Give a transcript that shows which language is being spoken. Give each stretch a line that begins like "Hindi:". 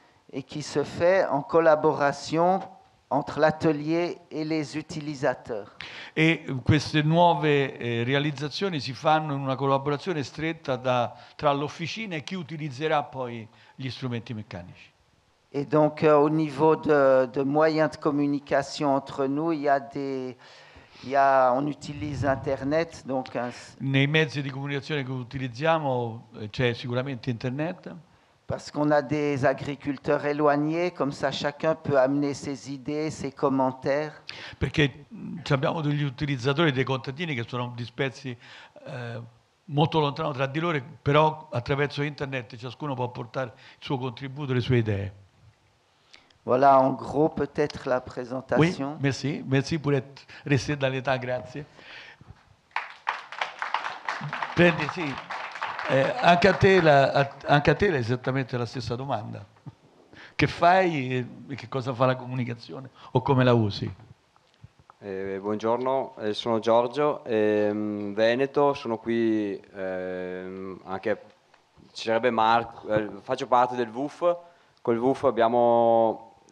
French: E qui se fait en collaboration entre l'atelier et les utilisateurs.
Italian: E queste nuove realizzazioni si fanno in una collaborazione stretta tra l'officina e chi utilizzerà poi gli strumenti meccanici.
French: Et donc au niveau de moyens de communication entre nous, on utilise Internet, donc
Italian: nei mezzi di comunicazione che utilizziamo c'è sicuramente Internet.
French: Parce qu'on a des agriculteurs éloignés, comme ça chacun peut amener ses idées, ses commentaires.
Italian: Perché abbiamo degli utilizzatori, dei contadini che sono dispersi molto lontano tra di loro, però attraverso Internet ciascuno può portare il suo contributo, le sue idee.
French: Voilà, en gros, peut-être la présentation. Oui, merci. Merci pour être resté dans l'état, grazie.
Italian: Prendi, sì. Anche a te esattamente la stessa domanda. Che fai e che cosa fa la comunicazione o come la usi? Buongiorno, sono Giorgio, Veneto, sono qui anche, ci sarebbe Marco, faccio parte del WUF, col WUF abbiamo...